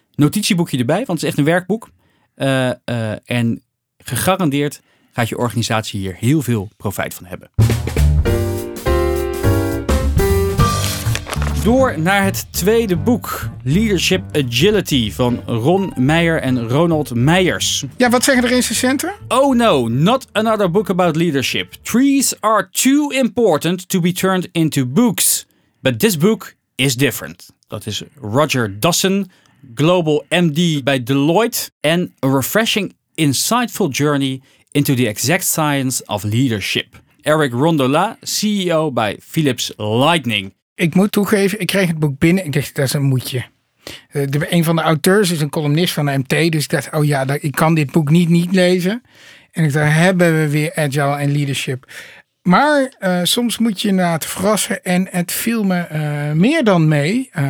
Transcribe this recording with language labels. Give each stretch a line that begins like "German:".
Dutch: Notitieboekje erbij, want het is echt een werkboek. En gegarandeerd gaat je organisatie hier heel veel profijt van hebben. Doerr naar het tweede boek, Leadership Agility, van Ron Meijer en Ronald Meijers. Ja, wat zeggen de recensenten?
English: Oh no, not another book about leadership. Trees are too important to be turned into books. But this book is different.
Dutch: Dat is Roger Dassen, Global MD bij Deloitte.
English: En a refreshing, insightful journey into the exact science of leadership.
Dutch: Eric Rondola, CEO bij Philips Lightning. Ik moet toegeven, ik kreeg het boek binnen en ik dacht, dat is een moetje. Een van de auteurs is een columnist van de MT. Dus ik dacht, oh ja, ik kan dit boek niet lezen. En ik dacht, hebben we weer agile en leadership. Maar soms moet je na het verrassen en het viel me meer dan mee.